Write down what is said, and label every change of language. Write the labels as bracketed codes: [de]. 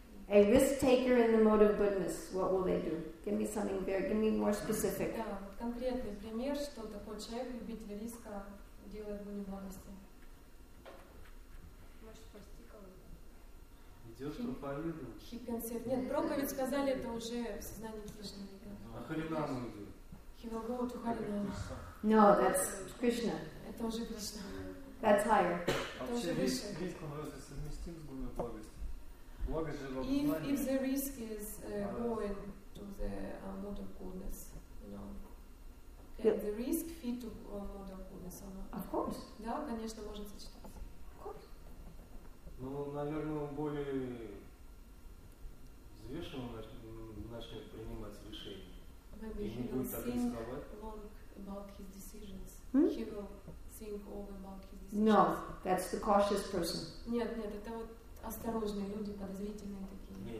[en] A risk taker in the mode of goodness. What will they do? Give me something very. Give me more specific. [ru] Да, вот конкретный пример, что такой человек любитель риска делает в неблагости. Может, прости кого-то. Идет проповедовать. [en] He concert. [ru] Нет, проповедь сказали это уже в сознании Кришны. А Харинам он идет. [en] He will go to Харинам. No, that's Krishna. [ru] Это уже Кришна. [en] That's higher. [ru] Это уже выше. Риск он разве совместим с гуной благости? [en] If the risk is going to the mode of goodness, you know, the risk fit to mode of goodness or not? Of course. [ru] Да, конечно, может сочетаться. [en] Of course. [ru] Ну, наверное, он более взвешенно начнет принимать решения. [en] Maybe he will think long about his decisions. He will think all about his decisions. No, that's the cautious person. [ru] Нет, нет, это вот осторожные люди, подозрительные такие.